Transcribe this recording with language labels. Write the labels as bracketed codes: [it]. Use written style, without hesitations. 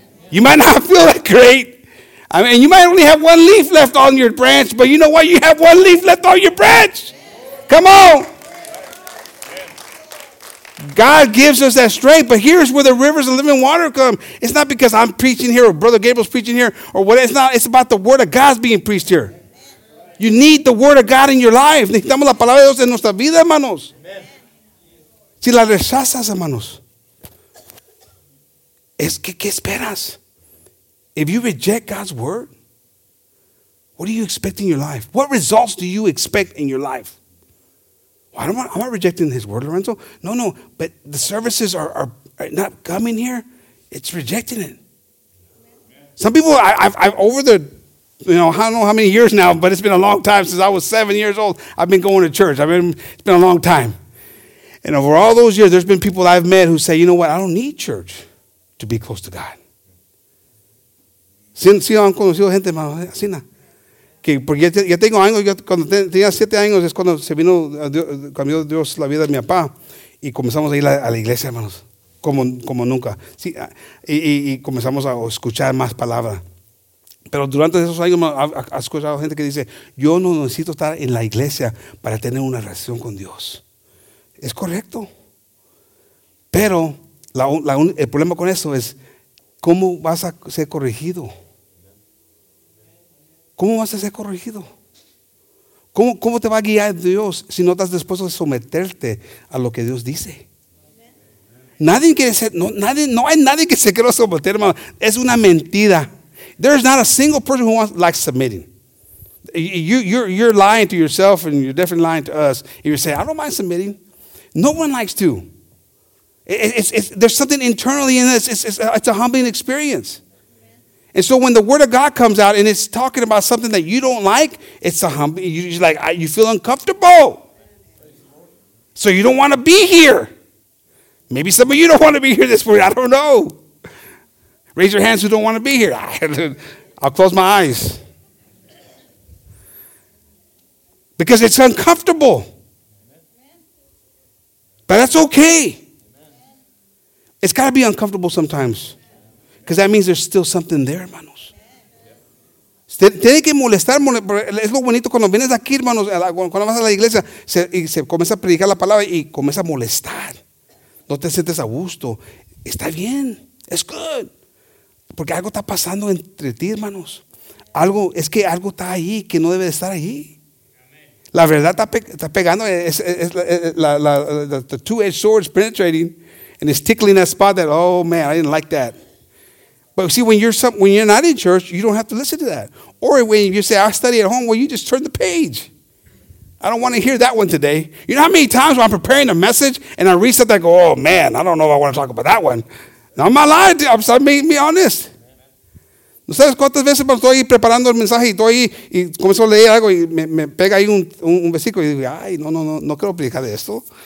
[en] You might not feel that great. I mean, you might only have one leaf left on your branch, but you know what? You have one leaf left on your branch. Come on. God gives us that strength, but here's where the rivers of living water come. It's not because I'm preaching here or Brother Gabriel's preaching here or what. It's not. It's about the word of God's being preached here. You need the word of God in your life. Necesitamos la palabra de Dios en nuestra vida, hermanos. Si la rechazas, hermanos, es que ¿qué esperas? If you reject God's word, what do you expect in your life? What results do you expect in your life? Well, I'm not rejecting his word, Lorenzo. No, but the services are not coming here. It's rejecting it. Some people, I've over the, you know, I don't know how many years now, but it's been a long time since I was 7 years old. I've been going to church. It's been a long time. And over all those years, there's been people I've met who say, you know what, I don't need church to be close to God. [es] Sí, han conocido gente, hermano, así na. Que porque ya tengo años, yo cuando tenía 7 años es cuando se vino, cambió Dios la vida de mi papá y comenzamos a ir a la iglesia, hermanos, como nunca. Sí, y comenzamos a escuchar más palabra. Pero durante esos años, hermano, ha escuchado gente que dice, yo no necesito estar en la iglesia para tener una relación con Dios. Es correcto. Pero el problema con eso es, ¿cómo vas a ser corregido? ¿Cómo vas a ser corregido? ¿Cómo te va a guiar Dios si no estás dispuesto a someterte a lo que Dios dice? Nadie quiere ser, no hay nadie que se quiera someter, hermano. Es una mentira. [en] There is not a single person who likes submitting. You're lying to yourself and you're definitely lying to us. You say, I don't mind submitting. No one likes to. It's there's something internally in this. It's a humbling experience. And so when the word of God comes out and it's talking about something that you don't like, it's a humble, you feel uncomfortable. So you don't want to be here. Maybe some of you don't want to be here this morning. I don't know. Raise your hands who don't want to be here. I'll close my eyes. Because it's uncomfortable. But that's okay. It's got to be uncomfortable sometimes. Because that means there's still something there, hermanos. [es] Tiene que molestar. Es lo bonito cuando vienes aquí, hermanos, cuando vas a la iglesia y se comienza a predicar la palabra y comienza a molestar. No te sientes a gusto. Está bien. [en] It's good. [es] Porque algo está pasando entre ti, hermanos. Algo, es que algo está ahí que no debe de estar ahí. La verdad está pegando. [en] The two-edged sword is penetrating and it's tickling that spot that, oh man, I didn't like that. But see, when you're not in church, you don't have to listen to that. Or when you say, I study at home, well, you just turn the page. I don't want to hear that one today. You know how many times when I'm preparing a message and I read something, I go, oh, man, I don't know if I want to talk about that one. Now I'm not lying to you. I'm being honest. [es] ¿No sabes cuántas veces estoy preparando el mensaje y estoy ahí y comienzo a leer algo y me pega ahí un versículo y digo, ay, no quiero predicar esto.